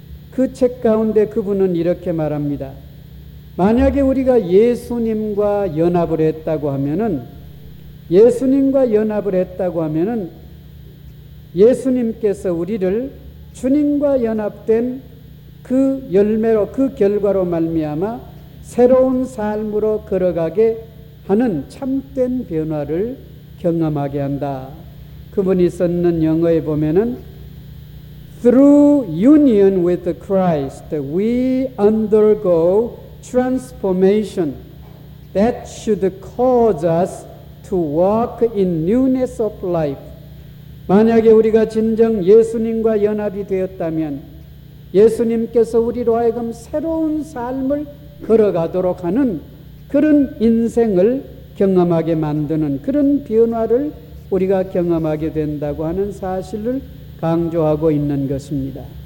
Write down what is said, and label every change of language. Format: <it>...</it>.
<ko>그 책 가운데 그분은 이렇게 말합니다. 만약에 우리가 예수님과 연합을 했다고 하면은 예수님과 연합을 했다고 하면은 예수님께서 우리를 주님과 연합된 그 열매로 그 결과로 말미암아 새로운 삶으로 걸어가게 하는 참된 변화를 경험하게 한다. 그분이 썼는 영어에 보면은</ko> <en>Through union with Christ, we undergo transformation that should cause us to walk in newness of life.</en> <ko>만약에 우리가 진정 예수님과 연합이 되었다면 예수님께서 우리로 하여금 새로운 삶을 걸어가도록 하는 그런 인생을 경험하게 만드는 그런 변화를 우리가 경험하게 된다고 하는 사실을 강조하고 있는 것입니다.</ko>